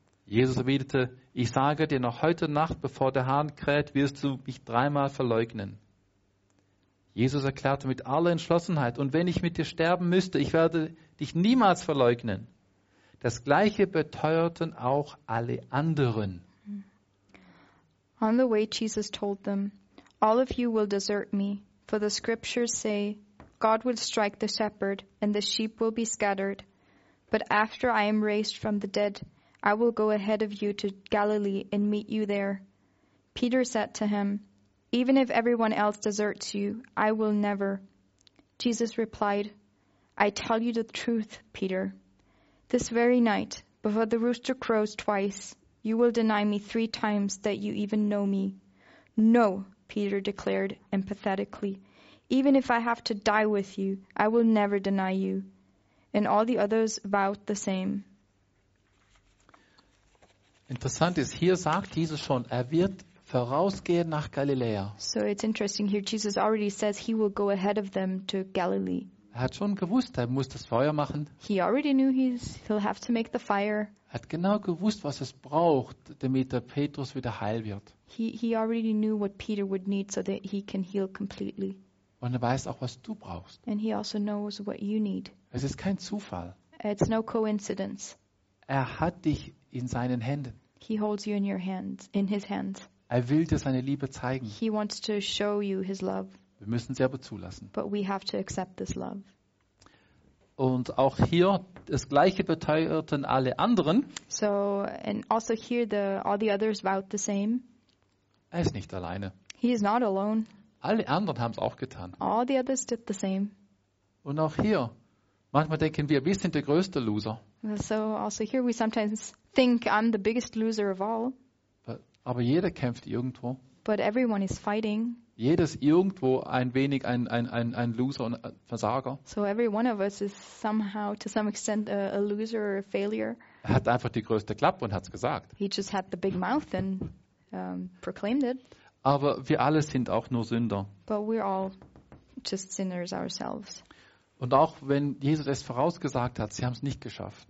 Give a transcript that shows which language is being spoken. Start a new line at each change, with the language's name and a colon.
German: Jesus erwiderte, ich sage dir, noch heute Nacht, bevor der Hahn kräht, wirst du mich 3-mal verleugnen. Jesus erklärte mit aller Entschlossenheit, und wenn ich mit dir sterben müsste, ich werde dich niemals verleugnen. Das Gleiche beteuerten auch alle anderen.
English: On the way Jesus told them, all of you will desert me, for the scriptures say, God will strike the shepherd, and the sheep will be scattered. But after I am raised from the dead, I will go ahead of you to Galilee and meet you there. Peter said to him, even if everyone else deserts you, I will never. Jesus replied, I tell you the truth, Peter. This very night, before the rooster crows twice, you will deny me 3 times that you even know me. No, Peter declared emphatically. Even if I have to die with you, I will never deny you. And all the others vowed the same.
German: Interessant ist, hier sagt Jesus schon, er wird vorausgehe nach Galiläa.
English: So it's interesting here. Jesus already says he will go ahead of them to Galilee.
German: Er hat schon gewusst, er muss das Feuer machen.
English: He already knew he'll have to make the fire.
German: Er hat genau gewusst, was es braucht, damit der Petrus wieder heil wird.
English: He already knew what Peter would need so that he can heal completely.
German: Und er weiß auch, was du brauchst.
English: And he also knows what you need.
German: Es ist kein Zufall.
English: It's no coincidence.
German: Er hat dich in seinen Händen.
English: He holds you in your hands, in his hands.
German: Er will dir seine Liebe zeigen.
English: He wants to show you his love.
German: Wir müssen sie aber zulassen.
English: But we have to accept this love.
German: Und auch hier das gleiche beteuerten alle anderen.
English: So and also here all the others vowed the same.
German: Er ist nicht alleine.
English: He is not alone.
German: Alle anderen haben es auch getan.
English: All the others did the same.
German: Und auch hier manchmal denken wir sind der größte Loser.
English: So also here we sometimes think I'm the biggest loser of all.
German: Aber jeder kämpft irgendwo.
English: But everyone is fighting.
German: Jedes irgendwo ein wenig ein Loser und ein Versager.
English: So every one of us is somehow to some extent a loser or a failure.
German: Er hat einfach die größte Klappe und hat's gesagt.
English: He just had the big mouth and proclaimed it.
German: Aber wir alle sind auch nur Sünder.
English: But we're all just sinners ourselves.
German: Und auch wenn Jesus es vorausgesagt hat, sie haben es nicht geschafft.